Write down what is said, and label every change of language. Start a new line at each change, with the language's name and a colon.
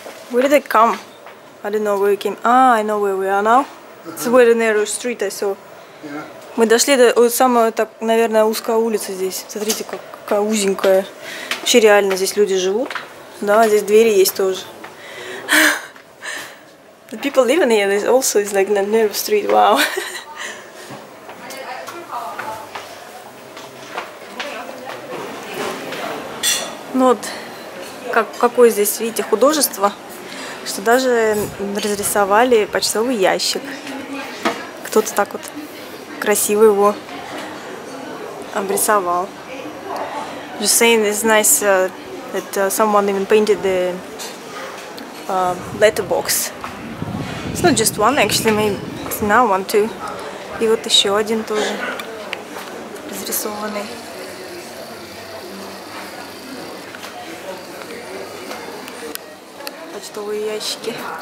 English: Where did they come? I don't know where we came. Ah, I know where we are now. It's where the narrow street I saw.
Russian: Мы дошли до самой, так, наверное, узкая улица здесь. Смотрите, какая узенькая. Вообще реально здесь люди живут. Да, здесь двери есть тоже.
English: The people living here, this also is like the narrow street. Wow.
Russian: Ну вот, какое здесь, видите, художество. что даже разрисовали почтовый ящик. Кто-то так вот красиво его обрисовал.
English: Just saying, it's nice that someone even painted the letterbox. It's not just one, actually, maybe now one too.
Russian: И вот еще один тоже разрисованный. Почтовые ящики.